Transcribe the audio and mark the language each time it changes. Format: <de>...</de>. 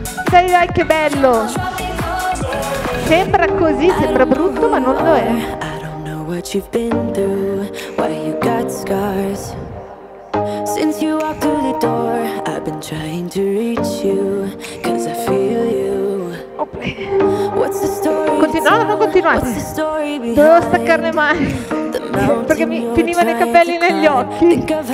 <it>Dai, dai, che bello! Sembra così, sembra brutto, ma non lo è.</it> <en>I don't know what you've been through, why you got scars. Since you walked through the door, I've been trying to reach you, cause I feel you. What's the story?</en> <it>Continuate. Dovevo staccare le mani perché mi finivano i capelli negli occhi.</it>